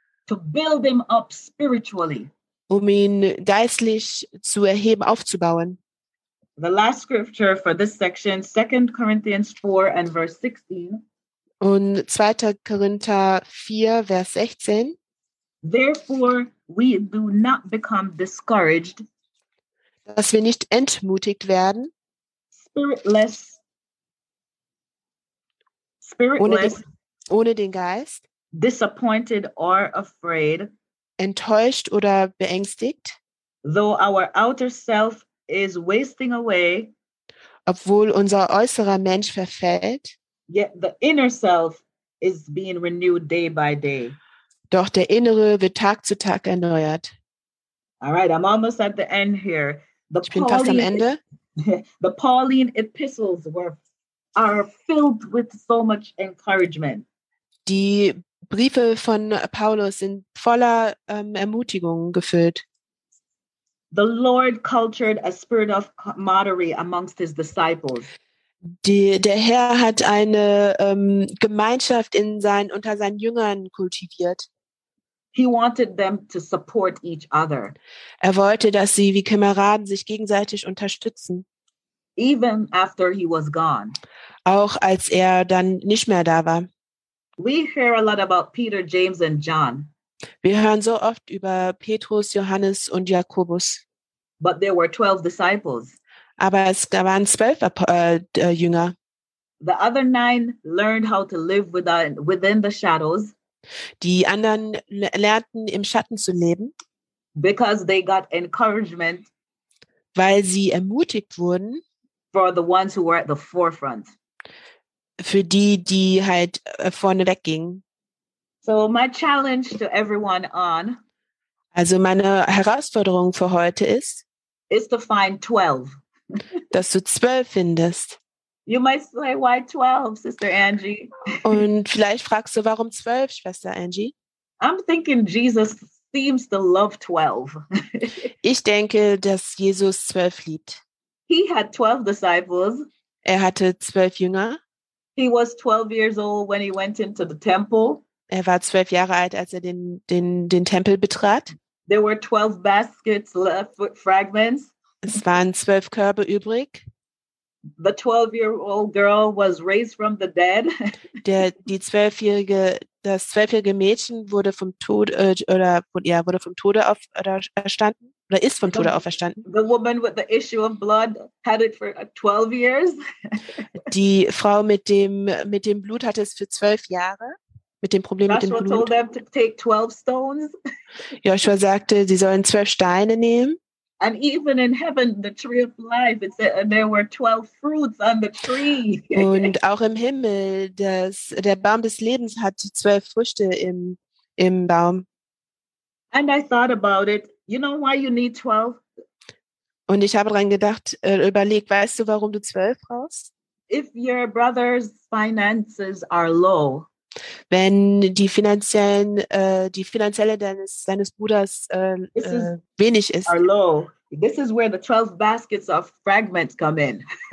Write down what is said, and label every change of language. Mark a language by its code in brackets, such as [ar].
[en] to build him up spiritually, [de] um ihn geistlich zu erheben, aufzubauen. [en] The last scripture for this section, 2 Corinthians 4 and verse 16. [de] Und 2. Korinther 4, Vers 16. [en] Therefore, we do not become discouraged, [de] dass wir nicht entmutigt werden, [en] spiritless, [de] ohne den Geist, [en] disappointed or afraid, [de] enttäuscht oder beängstigt, [en] though our outer self is wasting away, [de] obwohl unser äußerer Mensch verfällt, [en] yet the inner self is being renewed day by day. [de] Doch der innere wird Tag zu Tag erneuert. [en] All right, I'm almost at the end here. [de] Ich bin fast am Ende. [en] The Pauline epistles are filled with so much encouragement. [de] Die Briefe von Paulus sind voller Ermutigung gefüllt. [en] The Lord cultured a spirit of camaraderie amongst his disciples. [de] Der Herr hat eine Gemeinschaft unter seinen Jüngern kultiviert. [en] He wanted them to support each other. [de] Er wollte, dass sie wie Kameraden sich gegenseitig unterstützen. [en] Even after he was gone. [de] Auch als er dann nicht mehr da war. [en] We hear a lot about Peter, James and John. [de] Wir hören so oft über Petrus, Johannes und Jakobus. [en] But there were 12 disciples. [de] Aber es waren 12 Jünger. [en] The other 9 learned how to live within the shadows. [de] Die anderen lernten im Schatten zu leben, [en] because they got encouragement, [de] weil sie ermutigt wurden, [en] for the ones who were at the forefront, [de] für die halt vorne weggingen. [en] So my challenge to everyone on, [de] also meine Herausforderung für heute ist, [en] is to find 12. [de] Dass du 12 findest. [en] You might say, why 12, Sister Angie? [de] Und vielleicht fragst du, warum 12, Schwester Angie? [en] I'm thinking Jesus seems to love 12. [de] Ich denke, dass Jesus 12 liebt. [en] He had 12 disciples. [de] Er hatte 12 Jünger. [en] He was 12 years old when he went into the temple. [de] Er war 12 Jahre alt, als er den Tempel betrat. [en] There were 12 baskets left, fragments. [de] Es waren 12 Körbe übrig. [en] The 12-year-old girl was raised from the dead. [de] Das 12-jährige Mädchen wurde vom Tod wurde vom Tode auferstanden oder ist vom Tode auferstanden. [en] The woman with the issue of blood had it for 12 years. [de] Die Frau mit dem Blut hatte es für 12 Jahre mit dem Problem [en] Joshua [de] mit dem Blut. [en] Joshua told them to take 12 stones. [de] Joshua sagte, sie sollen 12 Steine nehmen. [en] And even in heaven, the tree of life, it said, and there were 12 fruits on the tree. [de] Und auch im Himmel, der Baum des Lebens hat 12 Früchte im Baum. [en] And I thought about it. You know why you need 12? [de] Und ich habe daran gedacht, überlegt, weißt du, warum du 12 brauchst? [en] If your brother's finances are low. [de] Wenn die finanzielle deines Bruders wenig ist. [en] Are low. This is where the 12 baskets of fragments come in.